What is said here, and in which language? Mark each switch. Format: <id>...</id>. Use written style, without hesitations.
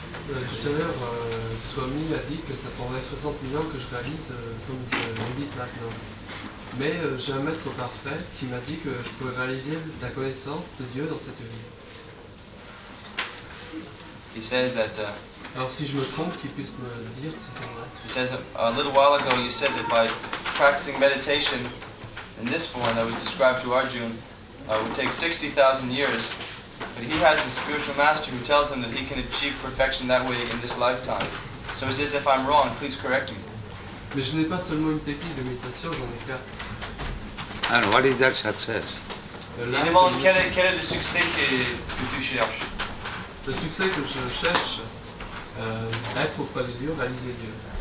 <fr>Tout à l'heure, Swami a dit que ça prendrait 60 000 ans que je réalise comme je l'habite maintenant. Mais j'ai un maître parfait qui m'a dit que je pourrais réaliser la connaissance de Dieu dans cette vie.</fr> <en>He says that,</en> <fr>alors si je me trompe, qu'il puisse me le dire si c'est vrai.</fr> <en>He says, a little while ago you said that by practicing meditation in this form that was described to Arjuna would take 60,000 years. But he has a spiritual master who tells him that he can achieve perfection that way in this lifetime. So it's as if I'm wrong, please correct me.</en> <fr>Mais je n'ai pas seulement une technique de méditation, j'en ai quatre.</fr> <en>And what is that success?</en> <fr>Il demande quel est le succès que tu cherches. Le succès que je cherche, être auprès de Dieu, réaliser Dieu.</fr>